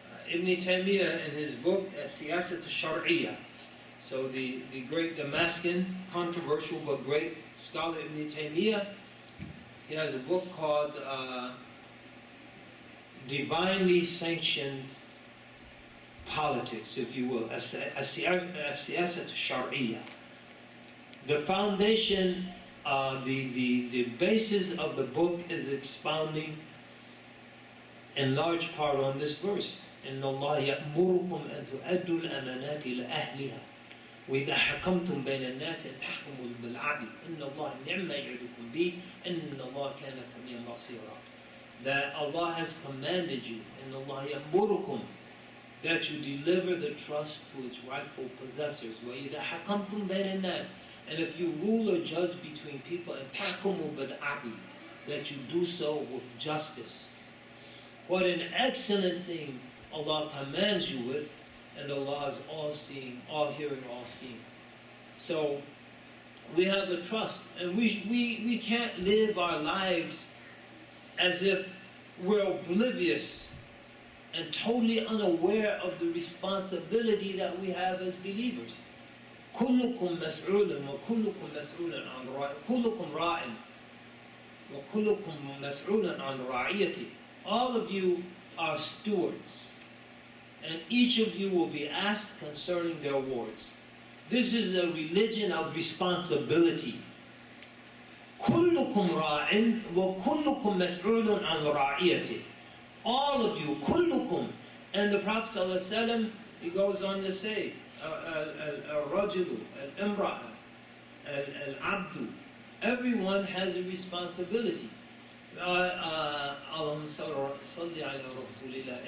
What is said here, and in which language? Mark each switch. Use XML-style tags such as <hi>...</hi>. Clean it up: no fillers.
<en>Ibn Taymiyyah in his book, As-Siyasat al-Shar'iyya, so the great Damascan, controversial but great scholar Ibn Taymiyyah, he has a book called Divinely Sanctioned Politics, if you will, As-Siyasat al-Shar'iyya. The foundation, the basis of the book is expounding in large part on this verse.</en> <ar>إِنَّ اللَّهَ يَأْمُرُكُمْ أَن تُؤَدُّوا الْأَمَانَاتِ إِلَى أَهْلِهَا وَإِذَا حَكَمْتُمْ بَيْنَ النَّاسِ أَن تَحْكُمُوا بِالْعَدْلِ إِنَّ اللَّهَ نِعْمَ يَعِدُكُمْ بِهِ إِنَّ اللَّهَ كَانَ سَمِيعًا بَصِيرًا,</ar> <en>that Allah has commanded you,</en> <ar>إِنَّ اللَّهَ يَأْمُرُكُمْ,</ar> <en>that you deliver the trust to its rightful possessors.</en> <ar>وَإِذَا حَكَمْتُمْ بَيْنَ النَّاسِ,</ar> <en>and if you rule or judge between people,</en> <ar>أَن تَحْكُمُوا بِالْعَدْلِ,</ar> <en>that you do so with justice. What an excellent thing Allah commands you with, and Allah is all-seeing, all-hearing, all-seeing. So, we have a trust, and we can't live our lives as if we're oblivious and totally unaware of the responsibility that we have as believers.</en> <ar>كُلُّكُمْ مَسْعُولٌ وَكُلُّكُمْ مَسْعُولٌ عَنْ رَعِيَةٍ, كُلُّكُمْ رَاعٍ وَكُلُّكُمْ مَسْعُولٌ عَنْ رَعِيَةٍ,</ar> <en>all of you are stewards. And each of you will be asked concerning their wards. This is a religion of responsibility.</en> <ar>كُلُّكُمْ رَاعٍ وَكُلُّكُمْ مَسْعُولٌ عَنْ رَعِيَتِهِ,</ar> <en>all of you,</en> <ar>كُلُّكُمْ,</ar> <en>And the Prophet sallallahu alaihi wasallam, he goes on to say, al-rajulu, al-imra'a, al-abdu, everyone has a responsibility.</en> <ar>Allahumma salli ala Rasulillah.</ar>